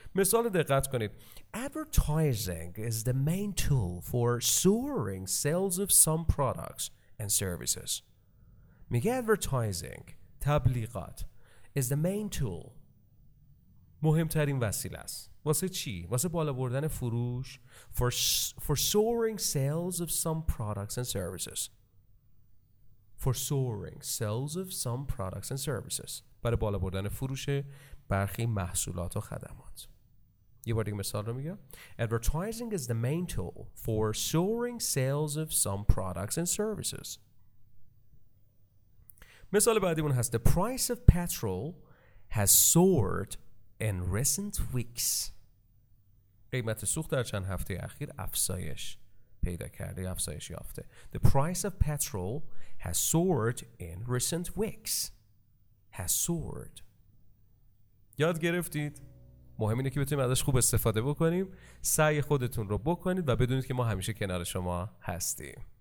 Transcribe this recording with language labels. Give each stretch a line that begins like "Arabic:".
Persian: مثال دقت کنید:
English: advertising is the main tool for soaring sales of some products and services.
Persian: میگه advertising تبلیغات
English: is the main tool
Persian: مهمترین وسیله است. واسه چی؟ واسه بالا بردن فروش
English: for soaring sales of some products and services. For soaring sales of some products and services.
Persian: برای بالا بردن فروش برخی محصولات و خدمات. یه بار دیگه مثال رو میگم.
English: Advertising is the main tool for soaring sales of some products and services.
Persian: مثال بعدیمون هست:
English: The price of petrol has soared in recent weeks.
Persian: قیمت سوخت در چند هفته اخیر افزایش پیدا کرده، افزایش یافته.
English: The price of petrol has soared in recent weeks. Has soared.
Persian: یاد گرفتید؟ مهم اینه که بتونیم ازش خوب استفاده بکنیم. سعی خودتون رو بکنید و بدونید که ما همیشه کنار شما هستیم.